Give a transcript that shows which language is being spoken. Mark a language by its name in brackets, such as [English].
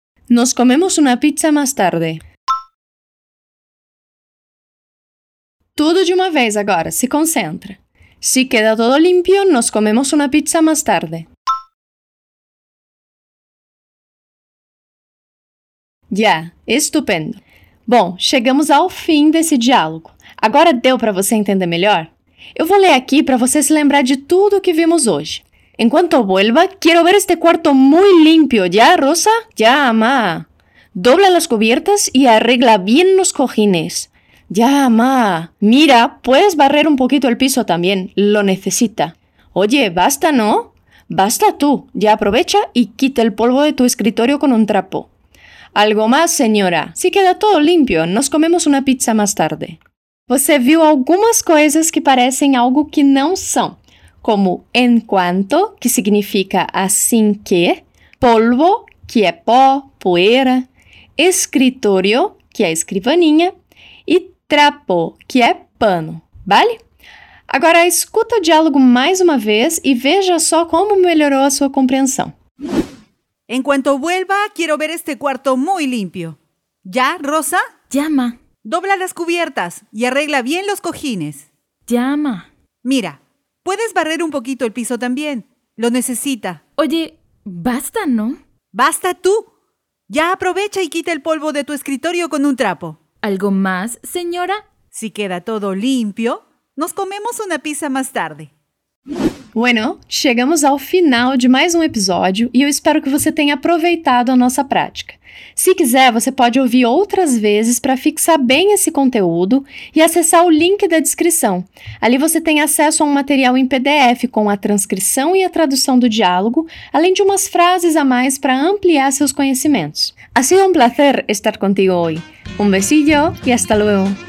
[Spanish] Nos comemos una pizza más tarde. [Portuguese] Tudo de uma vez agora, se concentra. [Spanish] Si queda todo limpio, nos comemos una pizza más tarde. Ya, estupendo. [Portuguese] Bom, chegamos ao fim desse diálogo. Agora deu para você entender melhor? Eu vou ler aqui para você se lembrar de tudo o que vimos hoje. [Spanish] Enquanto vuelva, quiero ver este cuarto muy limpio, ¿ya, Rosa? Ya, ma. Dobla las cubiertas y arregla bien los cojines. Ya, ma. Mira, puedes barrer un poquito el piso también. Lo necesita. Oye, basta, ¿no? Basta tú. Ya aprovecha y quita el polvo de tu escritorio con un trapo. Algo más, señora. Si queda todo limpio, nos comemos una pizza más tarde. [Portuguese] Você viu algumas coisas que parecem algo que não são, como enquanto, que significa assim que, polvo, que é pó, poeira, escritório, que é escrivaninha, e trapo, que é pano, vale? Agora escuta o diálogo mais uma vez e veja só como melhorou a sua compreensão. [Spanish] Enquanto vuelva, quiero ver este cuarto muy limpio. ¿Ya, Rosa? Llama. Dobla las cubiertas y arregla bien los cojines. Llama. Mira, puedes barrer un poquito el piso también. Lo necesita. Oye, basta, ¿no? Basta tú. Ya aprovecha y quita el polvo de tu escritorio con un trapo. ¿Algo más, señora? Si queda todo limpio, nos comemos una pizza más tarde. [Portuguese] Bueno, chegamos ao final de mais um episódio e eu espero que você tenha aproveitado a nossa prática. Se quiser, você pode ouvir outras vezes para fixar bem esse conteúdo e acessar o link da descrição. Ali você tem acesso a um material em PDF com a transcrição e a tradução do diálogo, além de umas frases a mais para ampliar seus conhecimentos. [Spanish] Ha sido un placer estar contigo hoy. Un besillo y hasta luego.